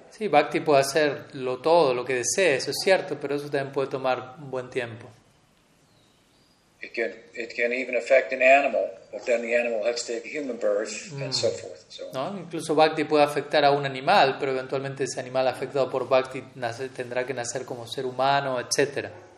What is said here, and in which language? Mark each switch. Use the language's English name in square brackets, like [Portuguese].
[Spanish] Sí, bhakti puede hacer lo todo, lo que desee, eso es cierto, pero eso también puede tomar un buen tiempo. [English] It can even affect an animal, but then the animal has to take a human birth, and so forth. [Spanish] No, incluso bhakti puede afectar a un animal, pero eventualmente ese animal afectado por bhakti tendrá que nacer como ser humano, etc.